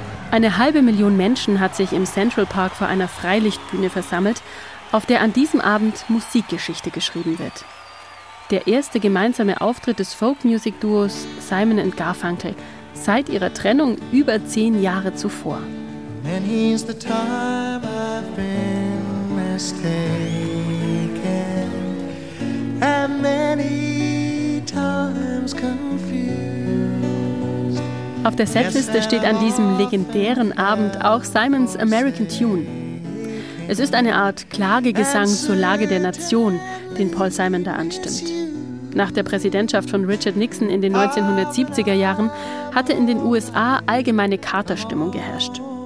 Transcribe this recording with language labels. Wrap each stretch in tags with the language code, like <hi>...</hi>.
<de>Eine halbe Million Menschen hat sich im Central Park vor einer Freilichtbühne versammelt, auf der an diesem Abend Musikgeschichte geschrieben wird. Der erste gemeinsame Auftritt des Folk-Music-Duos Simon & Garfunkel seit ihrer Trennung über 10 Jahre zuvor.</de> <en>Many's the time I've been mistaken, and many times confused.</en> <de>Auf der Setliste steht an diesem legendären Abend auch Simons American Tune. Es ist eine Art Klagegesang zur Lage der Nation, den Paul Simon da anstimmt. Nach der Präsidentschaft von Richard Nixon in den 1970er Jahren hatte in den USA allgemeine Carter-Stimmung geherrscht.</de>